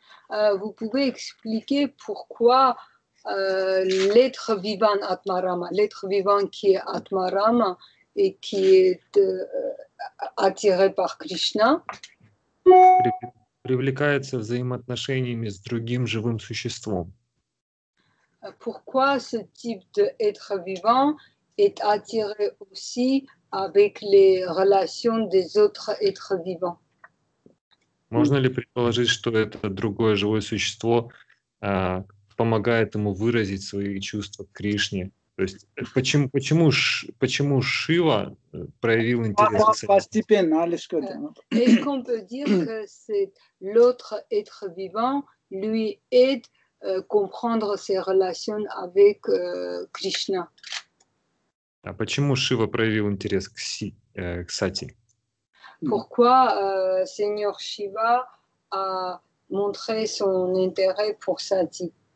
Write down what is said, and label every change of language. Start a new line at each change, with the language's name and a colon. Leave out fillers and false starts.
French: Vous pouvez expliquer pourquoi l'être vivant Atmarama, l'être vivant qui est Atmarama et qui est attiré par Krishna.
Russian: привлекается взаимоотношениями с другим живым существом.
French: Pourquoi ce type d'être vivant est attiré aussi avec les relations des autres êtres vivants?
Russian: Можно ли предположить, что это другое живое существо помогает ему выразить свои чувства к Кришне? То есть почему Шива проявил интерес? Постепенно, Алишка.
French: Est-ce qu'on peut dire que c'est l'autre être vivant lui aide comprendre ses relations avec Krishna?
Russian: А почему Шива проявил интерес к Сати?
French: Pourquoi Seigneur Shiva a montré son intérêt pour Sati?